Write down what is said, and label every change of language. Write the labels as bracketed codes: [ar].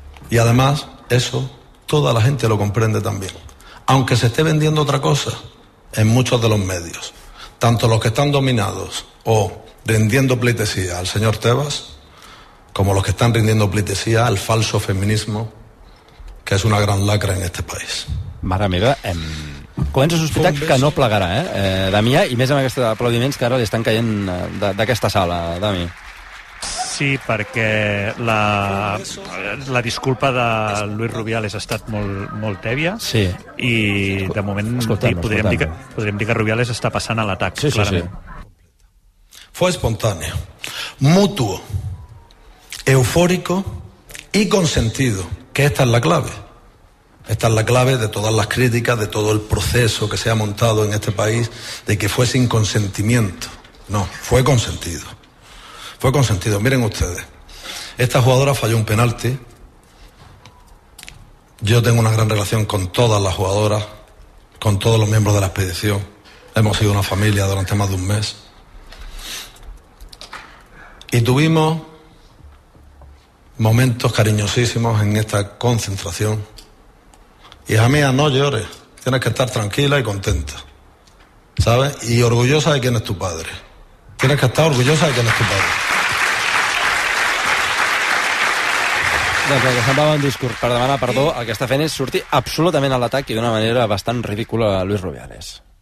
[es] Y además, eso toda la gente lo comprende también. Aunque se esté vendiendo otra cosa en muchos de los medios, tanto los que están dominados o rindiendo pleitesía al señor Tebas, como los que están rindiendo pleitesía al falso feminismo, que es una gran lacra en este país. [ca] Mare meva, comença a sospitar que no plegarà, Damià, i més amb aquests aplaudiments que ara li estan caient d'aquesta sala, Dami. Sí, perquè la disculpa de Luis Rubiales ha estat molt, molt tèbia. Sí. I de moment podríem dir que Rubiales està passant a l'atac. Sí, sí, sí. [es] Fue espontáneo, mutuo, eufórico y consentido, que esta es la clave. Esta es la clave de todas las críticas, de todo el proceso que se ha montado en este país, de que fue sin consentimiento. No, fue consentido. Fue consentido. Miren ustedes, esta jugadora falló un penalti. Yo tengo una gran relación con todas las jugadoras, con todos los miembros de la expedición. Hemos sido una familia durante más de un mes. Y tuvimos momentos cariñosísimos en esta concentración. Hija mía, no llores. Tienes que estar tranquila y contenta, ¿sabes? Y orgullosa de quién es tu padre. Tienes que estar orgullosa de quién es tu padre. [ca] Doncs el que semblava un discurs per demanar perdó, el que està fent és sortir absolutament a l'atac i d'una manera bastant ridícula a Luis Rubiales.